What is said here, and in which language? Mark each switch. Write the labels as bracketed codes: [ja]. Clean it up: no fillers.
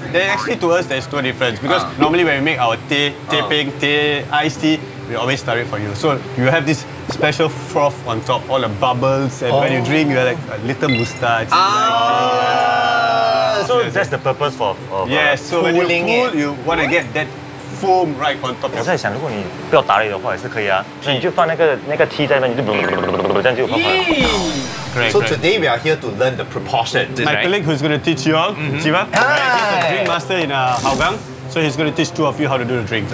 [en] Then actually, to us, there's no difference because normally when we make our teh, teh peng, teh, iced tea, we always tarik for you. So you have this special froth on top, all the bubbles, and when you drink, you have like a little moustache. So that's the purpose for cooling it. You want to get that foam right on top. [zh] 我在想，如果你不要打理的话，也是可以啊。所以你就放那个 tea 在那边，你就这样就好了。 [en] Great, so today we are here to learn the proportion. My colleague who's going to teach you all, Chiba. He's a drink master in Haogang, so he's going to teach two of you how to do the drink.